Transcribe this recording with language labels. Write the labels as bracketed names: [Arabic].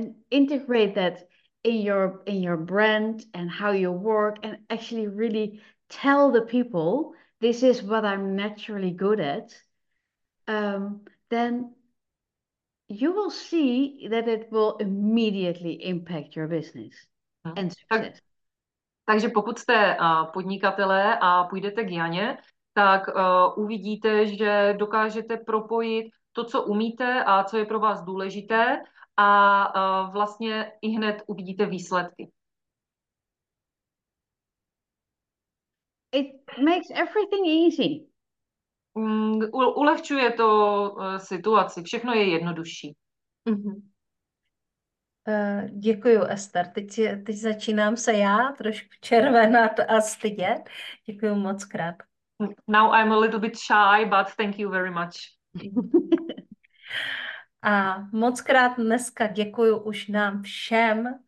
[English] integrate that in your brand and how you work, and actually really tell the people, this is what I'm naturally good at, then you will see that it will immediately impact your business and success. [Czech] Takže pokud jste podnikatelé a půjdete k Janě, tak uvidíte, že dokážete propojit to, co umíte a co je pro vás důležité, a vlastně i hned uvidíte výsledky. [English] It makes everything easy. [Czech] Ulehčuje to situaci, všechno je jednodušší. Děkuji, Ester. Teď začínám se já trošku červenat a stydět. Děkuji moc krát. [English] Now I'm a little bit shy, but thank you very much. [Czech] A moc krát dneska děkuji už nám všem,